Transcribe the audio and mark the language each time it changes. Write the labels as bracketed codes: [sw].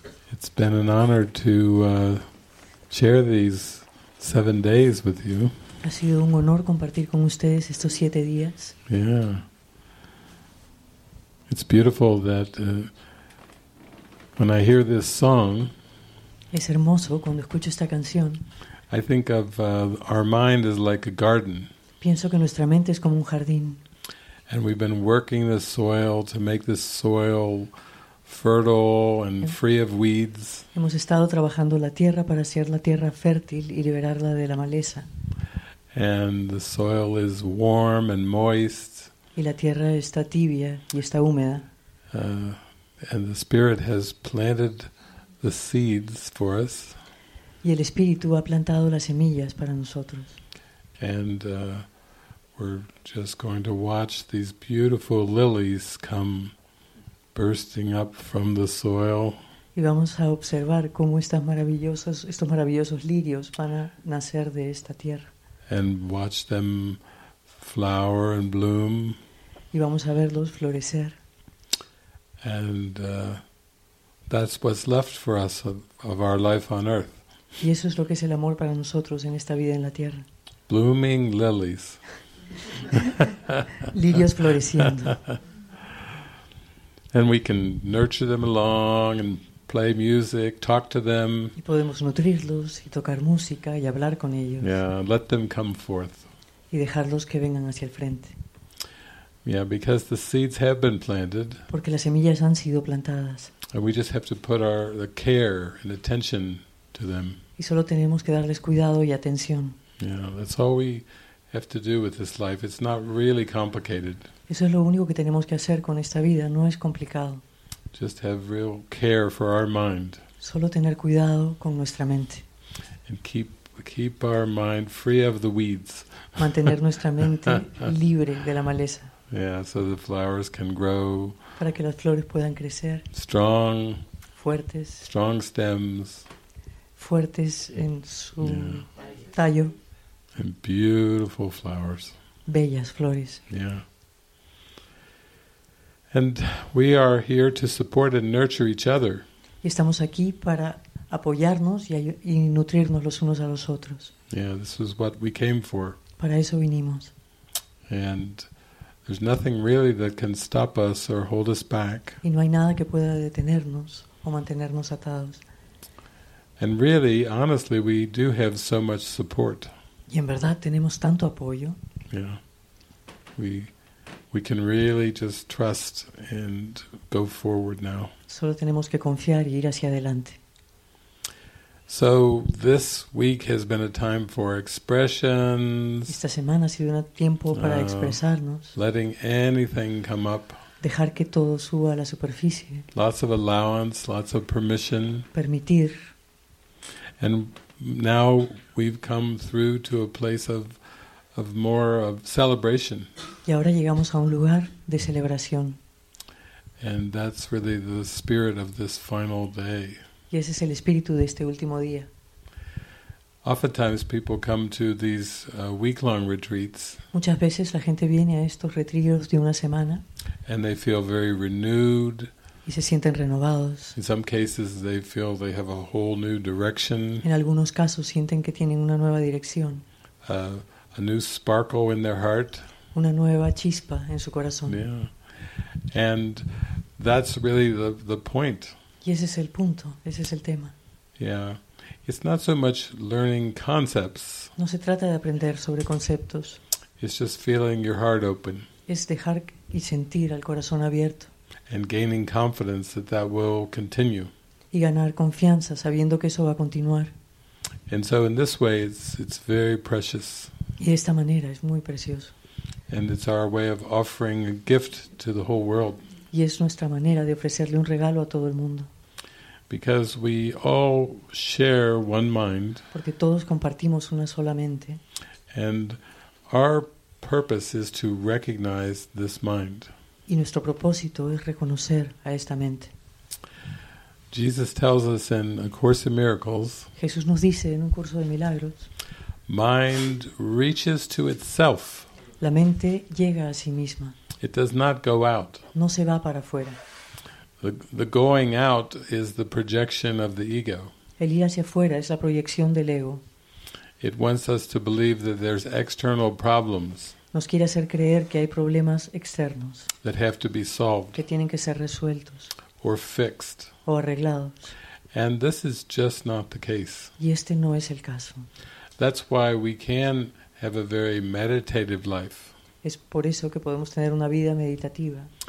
[en] It's been an honor to share these 7 days with you. [es] Ha sido un honor compartir con ustedes estos 7 días. [en] Yeah. It's beautiful that when I hear this song, [es] es hermoso cuando escucho esta canción, [en] I think of our mind is like a garden. [es] Pienso que nuestra mente es como un jardín. [en] And we've been working the soil to make this soil fertile and free of weeds. [es] Hemos estado trabajando la tierra para hacer la tierra fértil y liberarla de la maleza. [en] And the soil is warm and moist. [es] Y la tierra está tibia y está húmeda. [en] And the Spirit has planted the seeds for us. [es] Y el Espíritu ha plantado las semillas para nosotros. [en] And we're just going to watch these beautiful lilies come bursting up from the soil. [es] Y vamos a observar cómo estos maravillosos lirios van a nacer de esta tierra. [en] And watch them flower and bloom. [es] Y vamos a verlos florecer. [en] And that's what's left for us of our life on earth. [es] Y eso es lo que es el amor para nosotros en esta vida en la tierra. [en] Blooming lilies. [es] Lirios floreciendo. [en] And we can nurture them along and play music, talk to them. [es] Y podemos nutrirlos y tocar música y hablar con ellos. [en] Yeah, let them come forth. [es] Y dejarlos que vengan hacia el frente. [en] Yeah, because the seeds have been planted. [es] Porque las semillas han sido plantadas. [en] And we just have to put the care and attention to them. [es] Y solo tenemos que darles cuidado y atención. [en] Yeah, that's all we have to do with this life. It's not really complicated. [es] Eso es lo único que tenemos que hacer con esta vida, no es complicado. [en] Just have real care for our mind. [es] Solo tener cuidado con nuestra mente. [en] And keep our mind free of the weeds. [es] Mantener nuestra mente libre de la maleza. [en] Yeah, so the flowers can grow. [es] Para que las flores puedan crecer. [en] Strong. [es] Fuertes. [en] Strong stems. [es] Fuertes en su tallo. [en] And beautiful flowers. [es] Bellas flores. [en] Yeah. And we are here to support and nurture each other. [es] Y estamos aquí para apoyarnos y nutrirnos los unos a los otros. [en] Yeah, this is what we came for. [es] Para eso vinimos. [en] And there's nothing really that can stop us or hold us back. [es] Y no hay nada que pueda detenernos o mantenernos atados. [en] And really, honestly, we do have so much support. [es] Y en verdad tenemos tanto apoyo. [en] Yeah. We we can really just trust and go forward now. [es] Solo tenemos que confiar y ir hacia adelante. [en] So this week has been a time for expressions. [es] Esta semana ha sido un tiempo para expresarnos. [en] Letting anything come up. [es] Dejar que todo suba a la superficie. [en] Lots of allowance, lots of permission. [es] Permitir. [en] And now we've come through to a place of more of celebration. [es] Y ahora llegamos a un lugar de celebración. [en] And that's really the spirit of this final day. [es] Y ese es el espíritu de este último día. [en] Oftentimes people come to these week-long retreats. [es] Muchas veces la gente viene a estos retiros de una semana. [en] And they feel very renewed. [es] Y se sienten renovados. [en] In some cases they feel they have a whole new direction. [es] En algunos casos sienten que tienen una nueva dirección. [en] A new sparkle in their heart. [es] Una nueva chispa en su corazón. [en] Yeah. And that's really the point. [es] Y ese es el punto, ese es el tema. [en] Yeah. It's not so much learning concepts. [es] No se trata de aprender sobre conceptos. [en] It's just feeling your heart open. [es] Es dejar y sentir al corazón abierto. [en] And gaining confidence that that will continue. [es] Y ganar confianza sabiendo que eso va a continuar. [en] And so in this way it's very precious. [es] Y de esta manera es muy precioso. [en] And it's our way of offering a gift to the whole world. [es] Y es nuestra manera de ofrecerle un regalo a todo el mundo. [en] Because we all share one mind. [es] Porque todos compartimos una sola mente. [en] And our purpose is to recognize this mind. [es] Y nuestro propósito es reconocer a esta mente. [en] Jesus tells us in A Course in Miracles. [es] Jesús nos dice en un curso de milagros. [en] Mind reaches to itself. [es] La mente llega a sí misma. [en] It does not go out. [es] No se va para afuera. [en] The going out is the projection of the ego. [es] El ir hacia afuera es la proyección del ego. [en] It wants us to believe that there's external problems. [es] Nos quiere hacer creer que hay problemas externos. [en] That have to be solved. [es] Que tienen que ser resueltos. [en] Or fixed. [es] O arreglados. [en] And this is just not the case. [es] Y este no es el caso. [en] That's why we can have a very meditative life. [es] Es por eso que podemos tener una vida meditativa.